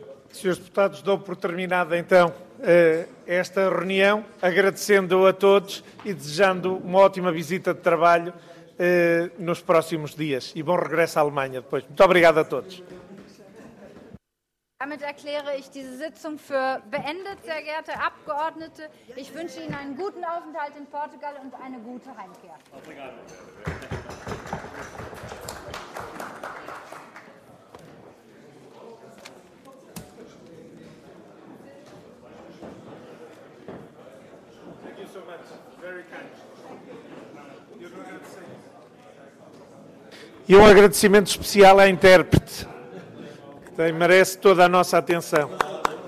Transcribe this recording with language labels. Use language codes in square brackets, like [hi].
[pt] Senhores deputados, dou por terminada então esta reunião, agradecendo a todos e desejando uma ótima visita de trabalho nos próximos dias. E bom regresso à Alemanha depois. Muito obrigado a todos. [de] Damit erkläre ich diese Sitzung für beendet, sehr geehrte Abgeordnete. Ich wünsche Ihnen einen guten Aufenthalt in Portugal und eine gute Heimkehr. [pt] E um agradecimento especial à intérprete, que merece toda a nossa atenção.